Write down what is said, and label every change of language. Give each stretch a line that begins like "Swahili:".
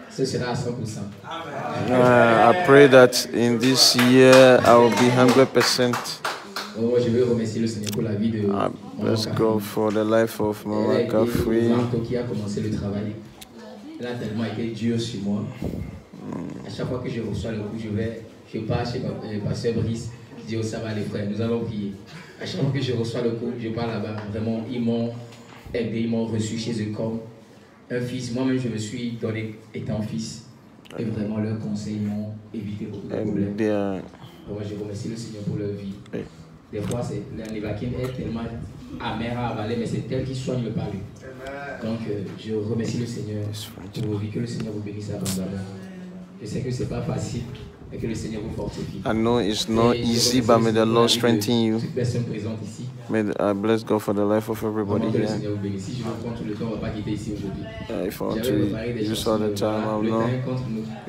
English: I pray that in this year I will be 100%.
French: Oh, je veux remercier le Seigneur pour la vie de
English: Let's go for the life of Mama Kafui.
French: Et qui a commencé le travail. Elle a tellement été dure sur moi. À chaque fois que je reçois le coup, je pars chez le pasteur Brice. Je dis, oh, ça va les frères, nous allons prier. À chaque fois que je reçois le coup, je pars là-bas. Vraiment, ils m'ont aidé, ils m'ont reçu chez eux comme un fils. Moi-même, je me suis donné étant fils. Et vraiment, leurs conseils m'ont évité beaucoup de problèmes. Alors, moi, je remercie le Seigneur pour leur vie. Des fois, c'est un évacuée est tellement amère à avaler, mais c'est elle qui soigne le palu. Donc, je remercie le Seigneur pour vos vies, que le Seigneur vous bénisse abondamment. Je sais que ce n'est pas facile, mais que le Seigneur vous fortifie.
English: I know it's not easy, but may the Lord strengthen you.
French: Toute personne présente ici.
English: May I bless God for the life of everybody here.
French: Le Seigneur vous bénisse. Si je veux prendre le temps, on ne va pas quitter ici aujourd'hui.
English: If I want to use all the time, I will not.